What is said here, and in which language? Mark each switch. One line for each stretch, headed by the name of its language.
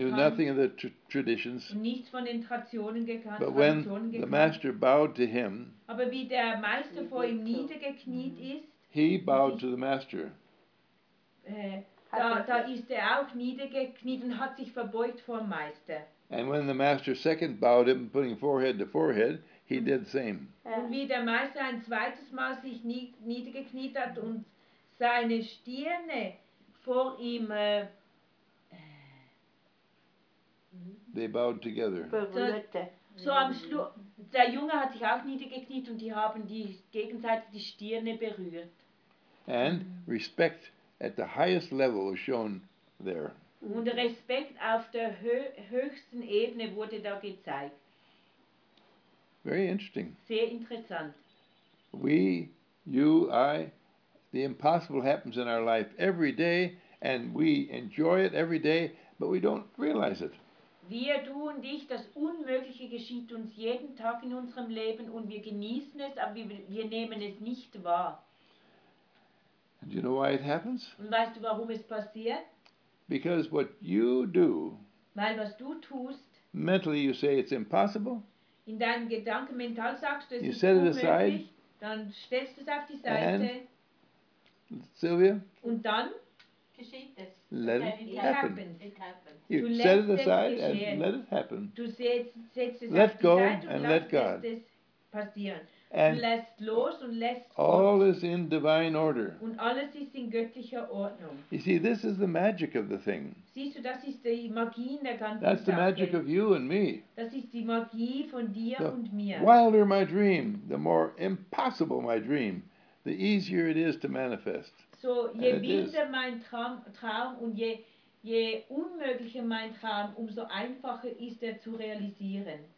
English: He knew nothing of the traditions.
German: Nichts von den Traditionen gekannt.
English: But when the master bowed to him,
German: aber wie der Meister vor ihm niedergekniet ist,
English: he bowed to the master.
German: Da ist er auch niedergekniet und hat sich verbeugt vor dem Meister.
English: And when the master second bowed him, putting forehead to forehead, he did the same.
German: Und wie der Meister ein zweites Mal sich niedergekniet hat und seine Stirne vor ihm
English: they bowed together.
German: So am Schluss, der Junge hat sich auch niedergekniet und die haben die gegenseitig die Stirne berührt.
English: And respect at the highest level was shown there.
German: Und Respekt auf der höchsten Ebene wurde da gezeigt.
English: Very interesting.
German: Sehr interessant.
English: We, you, I, the impossible happens in our life every day, and we enjoy it every day, but we don't realize it.
German: Wir, du und ich, das Unmögliche geschieht uns jeden Tag in unserem Leben und wir genießen es, aber wir nehmen es nicht wahr.
English: And do you know why it happens?
German: Und weißt du, warum es passiert?
English: Because what you do,
German: weil was du tust,
English: mentally you say it's impossible.
German: In deinem Gedanken, mental sagst du, es you ist unmöglich, aside, dann stellst du es auf die Seite.
English: And, Sylvia?
German: Und dann?
English: Let it happen. It happens. You set it aside and let it happen.
German: Du setzt es
English: let go and let God. And
German: du lässt los und lässt
English: all is in divine order.
German: Und alles ist in göttlicher Ordnung.
English: You see, this is the magic of the thing.
German: Siehst du, das ist die Magie in der ganzen
English: That's the magic of you and me.
German: Das ist die Magie von dir
English: the
German: und mir.
English: Wilder my dream, the more impossible my dream, the easier it is to manifest.
German: So, je wilder mein Traum und je unmöglicher mein Traum, umso einfacher ist er zu realisieren.